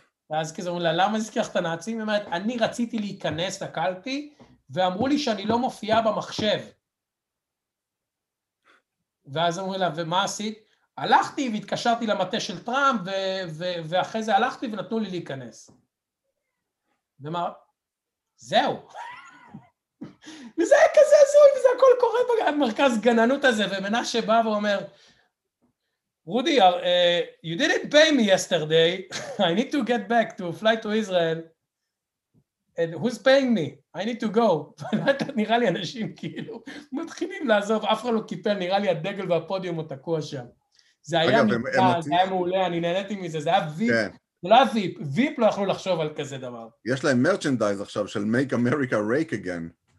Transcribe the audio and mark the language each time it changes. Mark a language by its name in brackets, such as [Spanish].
[Hebrew] ואז כזה אומרים לה, למה הזכיר את הנאצים? היא אומרת, אני רציתי להיכנס לקלפי, ואמרו לי שאני לא מופיע במחשב. ואז אומרים לה, ומה עשית? הלכתי והתקשרתי למטה של טראמפ, ואחרי זה הלכתי ונתנו לי להיכנס. ואמר, זהו. וזה היה כזה זוי, וזה הכל קורה במרכז גננות הזה, ומנשה בא ואומר, רודי, [English] you didn't pay me yesterday, I need to get back to fly to Israel, and who's paying me? I need to go. [Hebrew] נראה לי אנשים כאילו, מתחילים לעזוב, אף אחד לא קיפל, נראה לי הדגל והפודיום הוא תקוע שם. זה היה מפה, זה היה מעולה, אני נהניתי מזה, זה היה ויפ. לא ויפ, ויפ לא יכלו לחשוב על כזה דבר. יש להם מרצ'נדייז עכשיו של [English] make America rake again.